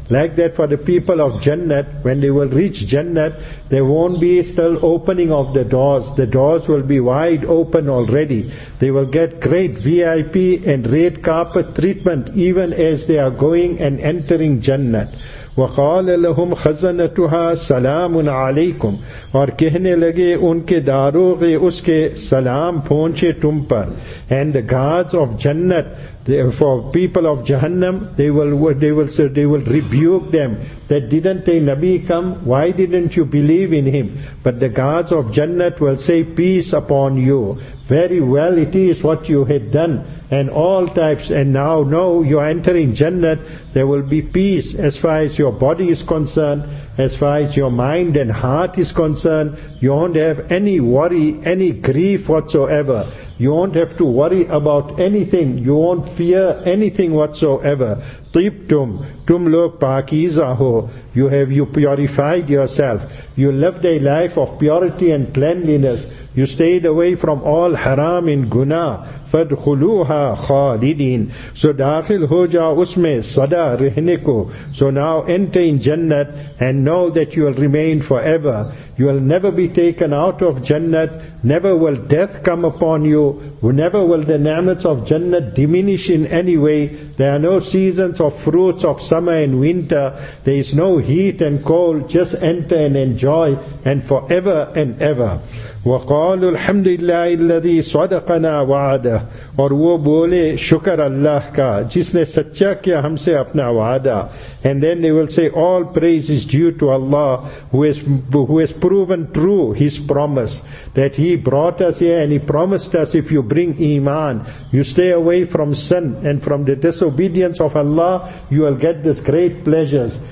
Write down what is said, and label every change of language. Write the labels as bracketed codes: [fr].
[en] Like that for the people of Jannat, when they will reach Jannat, there won't be still opening of the doors. The doors will be wide open already. They will get great VIP and red carpet treatment even as they are going and entering Jannat. [ar] وَقَالَ لَهُمْ خَزَنَتُهَا سَلَامٌ عَلَيْكُمْ. [ur] اور کہنے لگے ان کے داروغ اس کے سلام پہنچے تم پر. [en] And the guards of Jannat, for people of Jahannam, they will rebuke them, that didn't a Nabi come? Why didn't you believe in him? But the guards of Jannat will say, peace upon you. Very well it is what you had done, and all types, and now you are entering Jannat, there will be peace as far as your body is concerned, as far as your mind and heart is concerned. You won't have any worry, any grief whatsoever. You won't have to worry about anything. You won't fear anything whatsoever. Tibtum, [ur] tum log pakiza ho. [en] You purified yourself. You lived a life of purity and cleanliness. You stayed away from all haram and guna. [ar] فَدْخُلُوهَا خَالِدِينَ. [ur] So داخل ہو جا اس میں صدا رہنے کو. [en] So now enter in Jannat and know that you will remain forever. You will never be taken out of Jannat. Never will death come upon you. Never will the ni'mats of Jannat diminish in any way. There are no seasons of fruits of summer and winter. There is no heat and cold. Just enter and enjoy, and forever and ever. [ar] وَقَالُوا الْحَمْدُ لِلَّهِ الَّذِي صَدَقَنَا وَعَدَهُ. [ur] اور وہ بولے شکر اللہ کا جس نے سچا کیا ہم سے اپنا وعدہ. [en] And then they will say all praise is due to Allah who has proven true his promise that he brought us here and he promised us if you bring iman, you stay away from sin and from the disobedience of Allah, you will get this great pleasures.